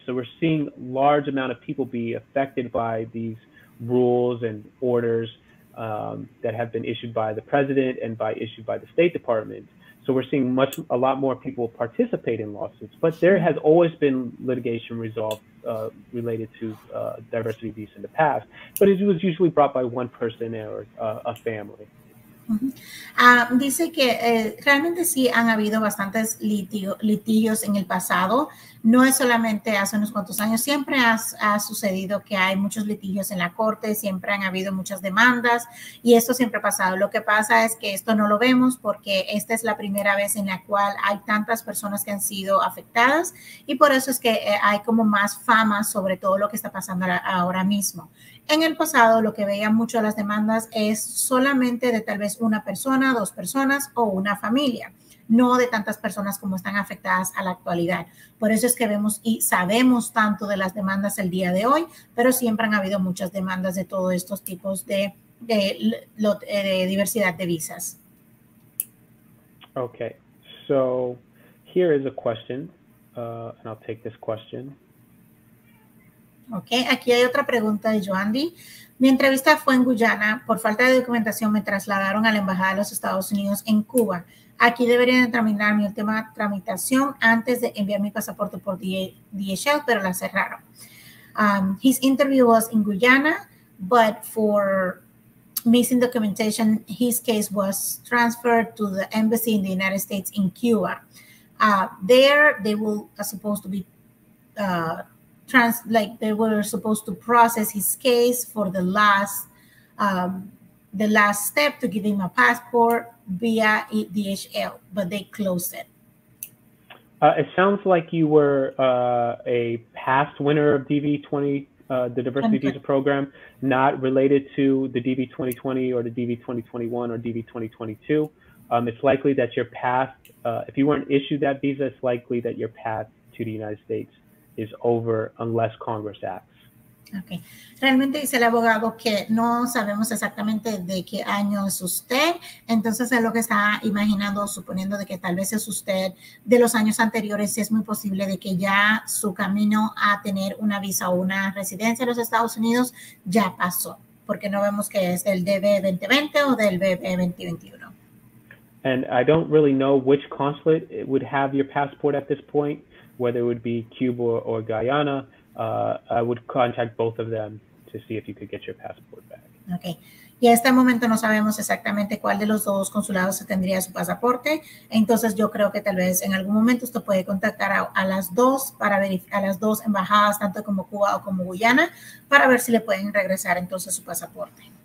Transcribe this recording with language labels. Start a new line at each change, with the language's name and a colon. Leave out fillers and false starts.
English: So we're seeing large amount of people be affected by these rules and orders that have been issued by the president and issued by the State Department. So we're seeing a lot more people participate in lawsuits, but there has always been litigation resolved related to diversity visa in the past, but it was usually brought by one person or a family.
Spanish: Dice que realmente sí han habido bastantes litigios en el pasado. No es solamente hace unos cuantos años. Siempre ha sucedido que hay muchos litigios en la corte. Siempre han habido muchas demandas y esto siempre ha pasado. Lo que pasa es que esto no lo vemos porque esta es la primera vez en la cual hay tantas personas que han sido afectadas y por eso es que hay como más fama sobre todo lo que está pasando ahora mismo. En el pasado, lo que veía mucho las demandas es solamente de tal vez una persona, dos personas o una familia, no de tantas personas como están afectadas a la actualidad. Por eso es que vemos y sabemos tanto de las demandas el día de hoy, pero siempre han habido muchas demandas de todos estos tipos de diversidad de visas.
English: Okay, so here is a question, and I'll take this question.
Spanish: Okay, aquí hay otra pregunta de Joandy. Mi entrevista fue en Guyana. Por falta de documentación, me trasladaron a la Embajada de los Estados Unidos en Cuba. Aquí deberían terminar mi última tramitación antes de enviar mi pasaporte por DHL, pero la cerraron.
English: His interview was in Guyana, but for missing documentation, his case was transferred to the embassy in the United States in Cuba. There, they will supposed to be they were supposed to process his case for the last step to give him a passport via DHL, but they closed it. It sounds like you were a past winner of DV20, the Diversity Visa Program, not related to the DV2020 or the DV2021 or DV2022. It's likely that your path, if you weren't issued that visa, it's likely that your path to the United States is over unless Congress acts. Okay.
Spanish: Realmente dice el abogado que no sabemos exactamente de qué año es usted. Entonces, es lo que está imaginando, suponiendo de que tal vez es usted de los años anteriores, es muy posible de que ya su camino a tener una visa o una residencia en los Estados Unidos ya pasó, porque no vemos que es del DV2020 o del DV2021.
English: And I don't really know which consulate would have your passport at this point, whether it would be Cuba or Guyana. I would contact both of them to see if you could get your passport back. Okay.
Spanish: Y a este momento no sabemos exactamente cuál de los dos consulados tendría su pasaporte. Entonces yo creo que tal vez en algún momento usted puede contactar a las dos para verificar a las dos embajadas, tanto como Cuba o como Guyana, para ver si le pueden regresar entonces su pasaporte.